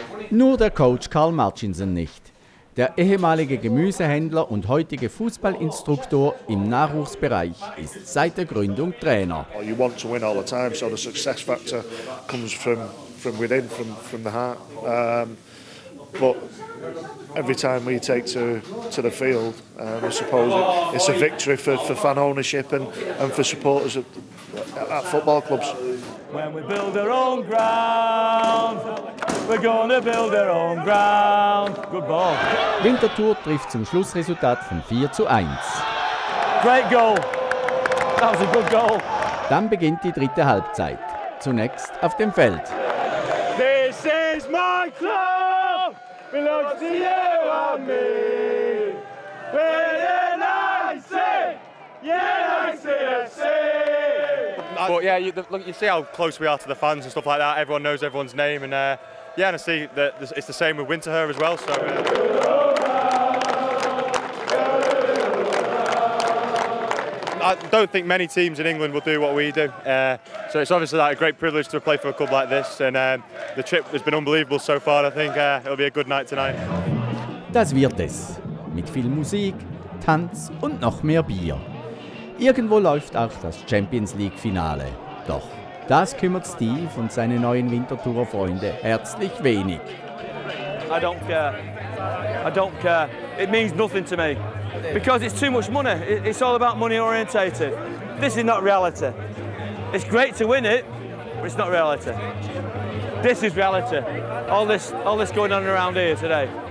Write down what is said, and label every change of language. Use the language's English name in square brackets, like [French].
[German] Nur der Coach Carl Marchinson nicht. Der ehemalige Gemüsehändler und heutige Fußballinstruktor im Nachwuchsbereich ist seit der Gründung Trainer. [English] You want to win all the time, so the success factor comes from within, from the heart. But every time we take to the field, I suppose it's a victory for fan ownership and for supporters at football clubs. When we build our own ground, we're gonna build our own ground. Good ball. [German] Winterthur trifft zum Schlussresultat von 4:1. [English] Great goal. That was a good goal. [German] Dann beginnt die dritte Halbzeit. Zunächst auf dem Feld. [English] This is my club. Belongs to you and me. We're the 90. Yeah, 90 FC. But yeah, you see how close we are to the fans and stuff like that. Everyone knows everyone's name. And and I see that it's the same with Winterthur as well. So. I don't think many teams in England will do what we do. So it's obviously like a great privilege to play for a club like this. And the trip has been unbelievable so far. I think it'll be a good night tonight. [German] Das wird es. Mit viel Musik, Tanz und noch mehr Bier. Irgendwo läuft auch das Champions League-Finale. Doch das kümmert Steve und seine neuen Winterthur-Freunde herzlich wenig. [English] I don't care. I don't care. It means nothing to me. Because it's too much money. It's all about money orientated. This is not reality. It's great to win it, but it's not reality. This is reality. All this going on around here today.